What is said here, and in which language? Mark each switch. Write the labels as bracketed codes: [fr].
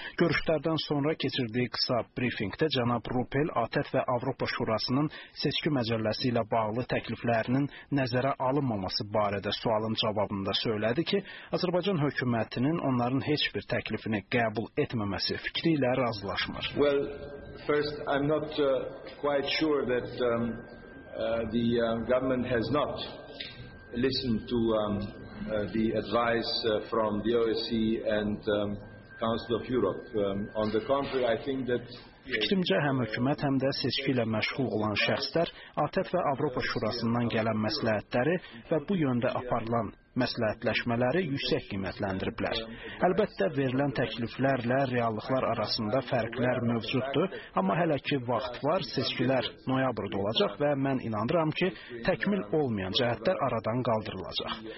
[az] Görüşlərdən sonra keçirdiyi qısa briefingdə cənab Rupel ATƏT və Avropa Şurasının seçki məcəlləsi ilə bağlı təkliflərinin nəzərə alınmaması barədə sualın cavabında söylədi ki, Azərbaycan hökuməti onların heç bir təklifini qəbul etməməsi fikri ilə razılaşmır. [en] Well, first I'm not quite sure that the government has not listened to the advice from the OSCE and Council of Europe. On the contrary, I think that [az] Fikrimcə, həm hökumət, həm də seçki ilə məşğul olan şəxslər ATƏT və Avropa Şurasından gələn məsləhətləri və bu yöndə aparılan məsləhətləşmələri yüksək qiymətləndiriblər. Əlbəttə, verilən təkliflərlə reallıqlar arasında fərqlər mövcuddur, amma hələ ki vaxt var, seçkilər noyabrda olacaq və mən inanıram ki, təkmil olmayan cəhətlər aradan qaldırılacaq.